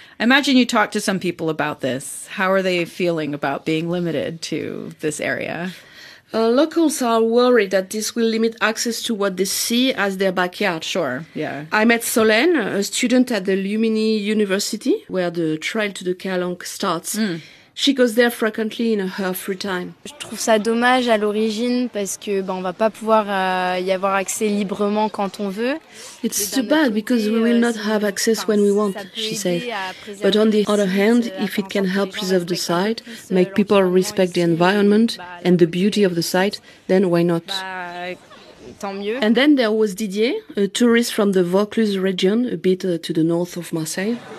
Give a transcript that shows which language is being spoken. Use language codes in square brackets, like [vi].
[en] Imagine you talk to some people about this. How are they feeling about being limited to this area? Locals are worried that this will limit access to what they see as their backyard. Sure, yeah. I met Solène, a student at the Lumine University, where the trail to the Calanque starts. Mm. She goes there frequently in her free time. [fr] Je trouve ça dommage à l'origine parce que ben on va pas pouvoir y avoir accès librement quand on veut. [en] It's too bad because we will not have access when we want, she says. But on the other hand, if it can help preserve the site, make people respect the environment and the beauty of the site, then why not? [fr] Tant mieux. [en] And then there was Didier, a tourist from the Vaucluse region, a bit to the north of Marseille.